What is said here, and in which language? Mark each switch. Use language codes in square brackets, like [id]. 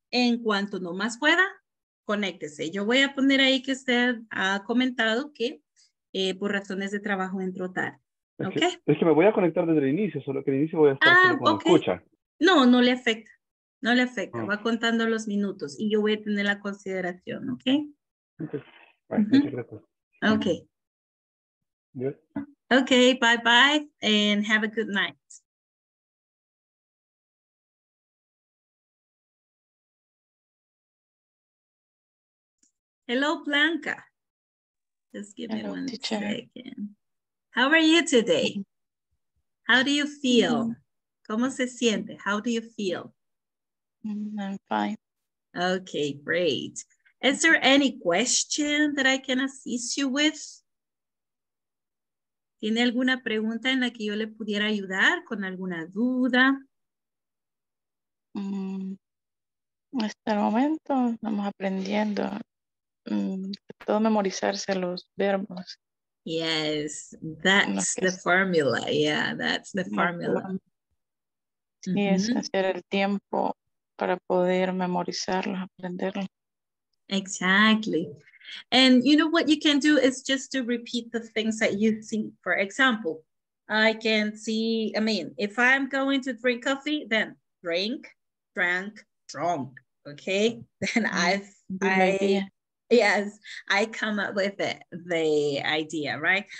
[es] en cuanto no más pueda, conéctese. Yo voy a poner ahí que usted ha comentado que por razones de trabajo entró tarde. [en] Okay. [es] Es que me voy a conectar desde el inicio, solo que el inicio voy a estar solo cuando escucha. No, no le afecta. No le afecta. Va contando los minutos y yo voy a tener la consideración, ¿ok? [en] Okay. Bye. Okay. Yeah. Okay, bye bye and have a good night. Hello, Blanca. Just give me one second. How are you today? How do you feel? [es] ¿Cómo se siente? [en] How do you feel? I'm fine. Okay, great. Is there any question that I can assist you with? [es] ¿Tiene alguna pregunta en la que yo le pudiera ayudar con alguna duda? Hasta el momento estamos aprendiendo. Todo memorizarse los verbos. [en] Yes, that's the formula. Yeah, that's the formula. [es] Sí, es hacer el tiempo para poder memorizarlos, aprenderlos. [en] Exactly. And you know what you can do is just to repeat the things that you think. For example, if I'm going to drink coffee, then drunk. Okay? Then I come up with it, the idea, right?